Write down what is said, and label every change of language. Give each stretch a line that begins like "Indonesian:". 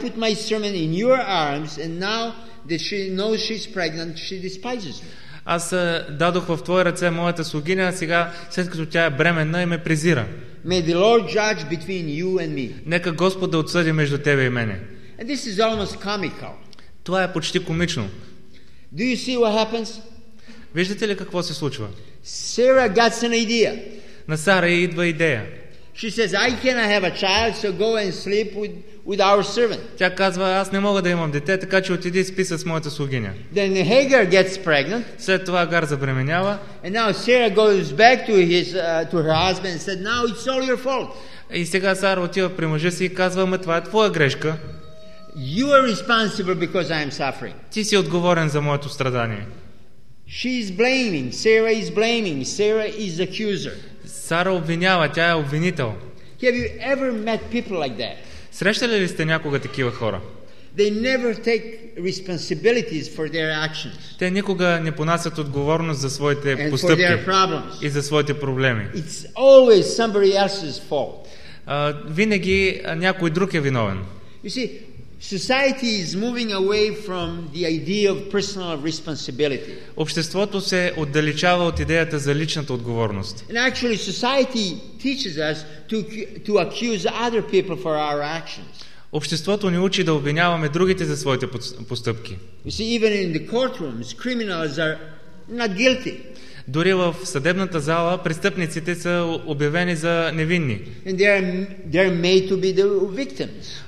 English: I put my servant in your arms and now that she knows she's pregnant, she despises me.
Bulgarian: Аз дадох в твоя ръце моята слугиня, а сега, след като тя е бременна, и ме презира.
English: May the Lord judge between you and me.
Bulgarian: Нека Господ да отсъди между тебе и мене.
English: And this is almost comical.
Bulgarian: Това е почти комично.
English: Do you see what happens?
Bulgarian: Виждате ли какво се случва?
English: Sarah gets an idea.
Bulgarian: На Сара ѝ идва идея.
English: She says, I cannot have a child, so go and sleep with our servant.
Bulgarian: Тя казва, аз не мога да имам дете, така че отиди спи с моята слугиня.
English: Then Hagar gets pregnant.
Bulgarian: След това Агар забременява.
English: And now Sarah goes back to her husband and said, now it's all your fault.
Bulgarian: И сега Сара отива при мъжа си и казва, ама това е твоя грешка.
English: You are responsible because I am suffering.
Bulgarian: Ти си отговорен за моето страдание.
English: She's blaming. Sarah is blaming. Sarah is accuser.
Bulgarian: Сара обвинява, тя е обвинител.
English: Have you ever met people like that?
Bulgarian: Срещали ли сте някога такива хора?
English: They never take responsibilities for their actions.
Bulgarian: Те никога не понасят отговорност за своите постъпки и за своите проблеми.
English: It's always somebody else's fault.
Bulgarian: Винаги някой друг е виновен.
English: You see, society is moving away from the idea of personal responsibility.
Bulgarian: Обществото се отдалечава от идеята за личната отговорност.
English: And actually, society teaches us to accuse other people for our actions.
Bulgarian: Обществото ни учи да обвиняваме другите за своите постъпки.
English: You see, even in the courtrooms, criminals are not guilty.
Bulgarian: Дори в съдебната зала престъпниците са обявени за невинни.
English: They are made to be the victims.